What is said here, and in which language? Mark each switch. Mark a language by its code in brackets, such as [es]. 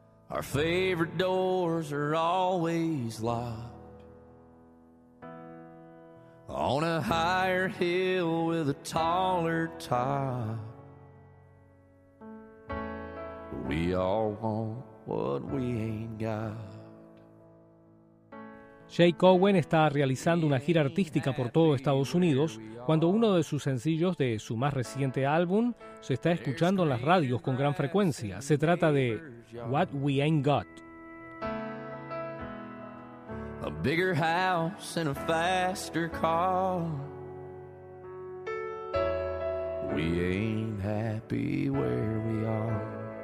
[en] Our favorite doors are always locked. On a higher hill with a taller top. We all want what we ain't got. [es] Jake Owen está realizando una gira artística por todo Estados Unidos cuando uno de sus sencillos de su más reciente álbum se está escuchando en las radios con gran frecuencia. Se trata de What We Ain't Got. [en] A bigger house and a faster car. We ain't happy where we are.